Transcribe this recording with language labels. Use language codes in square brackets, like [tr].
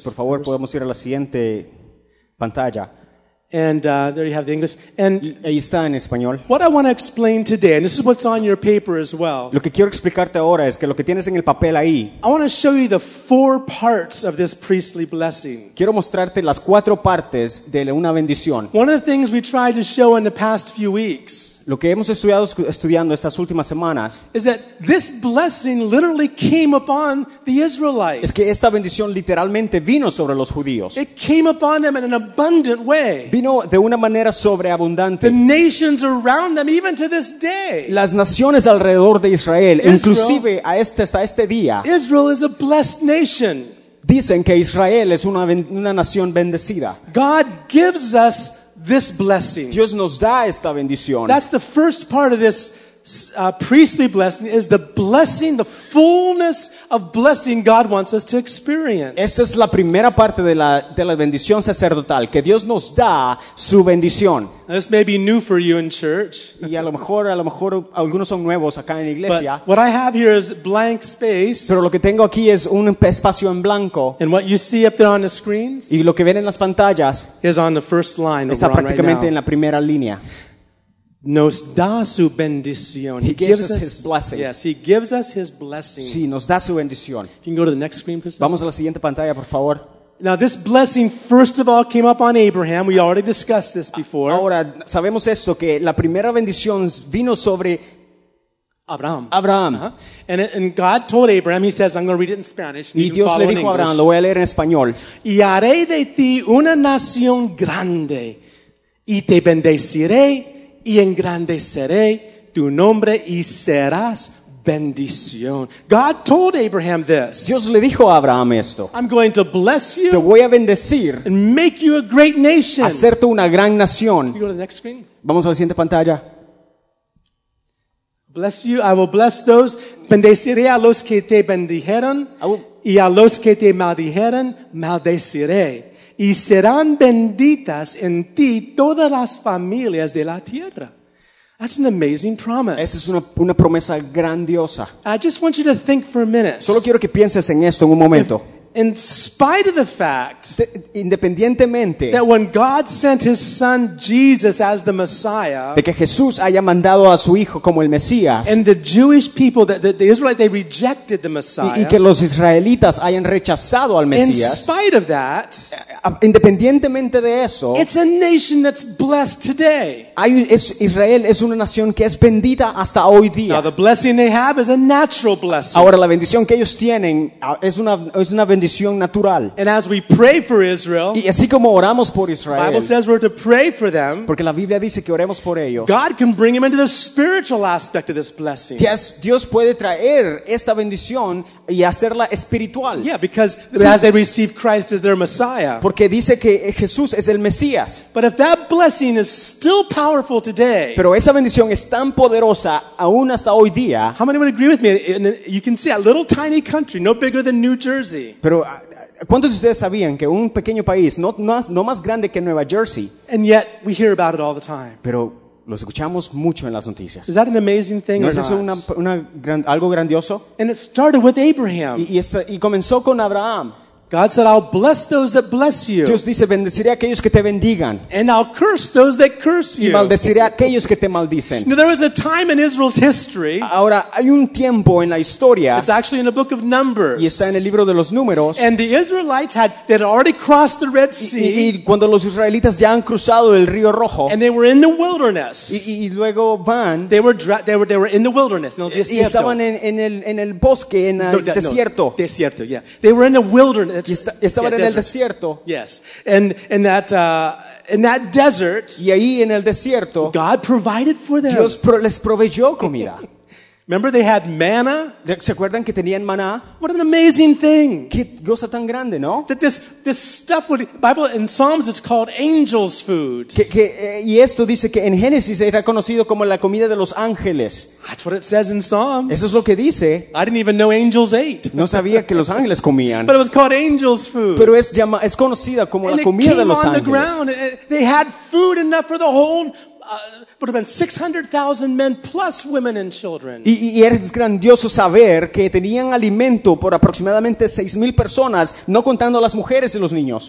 [es] Sí, por favor, podemos ir a la siguiente pantalla. [en] And there you have the English. And [es] ahí está en español. [en] What I want to explain today, and this is what's on your paper as well. [es] Lo que quiero explicarte ahora es que lo que tienes en el papel ahí. [en] I want to show you the four parts of this priestly blessing. [es] Quiero mostrarte las cuatro partes de una bendición. [en] One of the things we tried to show in the past few weeks. [es] Lo que hemos estudiando estas últimas semanas. [en] Is that this blessing literally came upon the Israelites? [es] Es que esta bendición literalmente vino sobre los judíos. [en] It came upon them in an abundant way. [es] Vino de una manera sobreabundante. [en] The nations around them, even to this day. [es] Las naciones alrededor de Israel, Israel inclusive hasta este día. [en] Israel is a blessed nation. [es] Dicen que Israel es una nación bendecida. [en] God gives us this blessing. [es] Dios nos da esta bendición. [en] That's the first part of this priestly blessing, is the blessing, the fullness of blessing God wants us to experience. [es] Esta es la primera parte de la bendición sacerdotal, que Dios nos da su bendición. [en] Now, this may be new for you in church. [es] Y a lo mejor algunos son nuevos acá en la iglesia. [en] But what I have here is blank space. [es] Pero lo que tengo aquí es un espacio en blanco. [en] And what you see up there on the screens, [es] y lo que ven en las pantallas, [en] is on the first line, [es] está prácticamente en la primera línea. Nos da su bendición. [en] He gives us his blessing. Yes, he gives us his blessing. [es] Sí, nos da su bendición. [en] You can go to the next screen, please. [es] Vamos a la siguiente pantalla, por favor. [en] Now, this blessing, first of all, came up on Abraham. We already discussed this before. [es] Ahora, sabemos esto, que la primera bendición vino sobre Abraham. Abraham. Uh-huh. [en] And God told Abraham, he says, I'm going to read it in Spanish. [es] Y Dios le dijo a Abraham, lo voy a leer en español. Y haré de ti una nación grande, y te bendeciré, y engrandeceré tu nombre y serás bendición. [en] God told Abraham this. [es] Dios le dijo a Abraham esto. [en] I'm going to bless you. [es] Te voy a bendecir. [en] And make you a great nation. [es] Hacerte una gran nación. [en] You go to the next screen. [es] Vamos a la siguiente pantalla. [en] Bless you. I will bless those. [es] Bendeciré a los que te bendijeron. Y a los que te maldijeron, maldeciré. Y serán benditas en ti todas las familias de la tierra. [en] That's an amazing promise. [es] Esa es una promesa grandiosa. [en] I just want you to think for a minute. [es] Solo quiero que pienses en esto en un momento. [en] In spite of the fact [es] independientemente [en] that when God sent his son Jesus as the Messiah, [es] de que Jesús haya mandado a su hijo como el Mesías, [en] and the Jewish people, the Israelites, they rejected the Messiah, [es] y que los israelitas hayan rechazado al Mesías, [en] in spite of that, [es] independientemente de eso, [en] it's a nation that's blessed today. [es] Israel es una nación que es bendita hasta hoy día. [en] Now the blessing they have is a natural blessing. [es] Ahora la bendición que ellos tienen es una bendición natural. [en] And as we pray for Israel, [es] y así como oramos por Israel, [en] Bible says we're to pray for them, [es] porque la Biblia dice que oremos por ellos, [en] God can bring them into the spiritual aspect of this blessing. [es] Yes, Dios puede traer esta bendición y hacerla espiritual. [en] Yeah, because sí, as they receive Christ as their Messiah. [es] Porque dice que Jesús es el Mesías. [en] But if that blessing is still powerful today, [es] pero esa bendición es tan poderosa aún hasta hoy día. [en] How many would agree with me? You can see a little tiny country, no bigger than New Jersey. [es] Pero ¿cuántos de ustedes sabían que un pequeño país, no más grande que Nueva Jersey? [en] And yet we hear about it all the time. [es] Pero los escuchamos mucho en las noticias. [en] Is that an amazing thing? [es] ¿No es eso algo grandioso? [en] And it started with Abraham. [es] Y comenzó con Abraham. [en] God said, I'll bless those that bless you. [es] Dios dice, bendeciré a aquellos que te bendigan. [en] And I'll curse those that curse you. [es] Y maldeciré a aquellos que te maldicen. [en] Now, there was a time in Israel's history. [es] Ahora, hay un tiempo en la historia. [en] It's actually in the book of Numbers. [es] Y está en el libro de los Números. [en] And the Israelites had already crossed the Red Sea. [es] Y cuando los israelitas ya han cruzado el río Rojo. [en] And they were in the wilderness. [es] Y luego van. [en] They were in the wilderness. No, [es] y estaban en el bosque, en el desierto. [en] No, desierto, yeah. They were in the wilderness. [es] Estaban en el desierto. [en] Yes, and that desert. [es] Y ahí en el desierto, [en] God provided for them. [es] Dios les proveyó comida. [en] Remember they had manna? [es] ¿Se acuerdan que tenían maná? [en] What an amazing thing. [es] Qué cosa tan grande, ¿no? [en] That this stuff would, Bible in Psalms it's called angels' food. [es] Y esto dice que en Génesis era conocido como la comida de los ángeles. [en] That's what it says in Psalms. [es] Eso es lo que dice. [en] I didn't even know angels ate. [es] No sabía que los ángeles comían. [en] But it was called angels' food. [es] Pero es conocida como [en] and [es] la comida [en] it came [es] de los [en] on [es] ángeles. [en] The ground. They had food enough for the whole would have been 600,000 men plus women and children. [es] Y es grandioso saber que tenían alimento por aproximadamente 6,000 personas, no contando las mujeres y los niños.